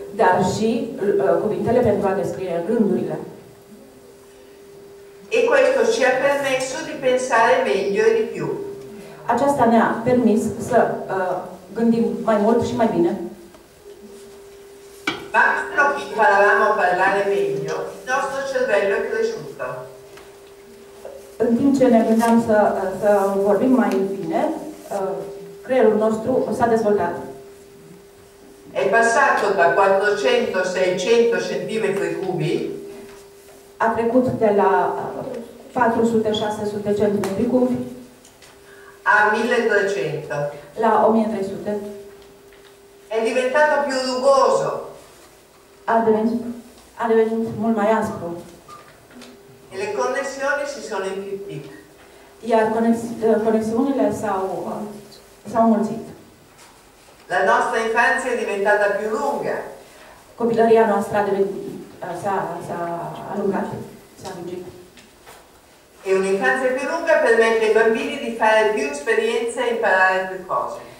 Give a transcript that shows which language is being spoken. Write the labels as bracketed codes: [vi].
[ro] Dar și cuvintele pentru a descrie gândurile. [it] E questo ci ha permesso di pensare meglio e di più. [ro] Aceasta ne-a permis să gândim mai mult și mai bine. [it] Ma quando imparavamo a parlare meglio, il nostro cervello è cresciuto. [ro] În timp ce ne gândeam să vorbim mai bine, creierul nostru s-a dezvoltat. [it] È passato da 400-600 centimetri cubi. [ro] A trecut de la 400-600 centimetri cubi. [it] A 1300. [ro] La 1300. [it] È diventato più rugoso. [ro] A devenit mult mai aspru. [it] E le connessioni si sono infittite. [ro] Iar conexiunile s-au mulțit. [it] La nostra infanzia è diventata più lunga. [ro] Copilăria noastră s-a alungat, s-a lungit. [it] E un'infanzia più lunga permette ai bambini di fare più esperienze e imparare più cose.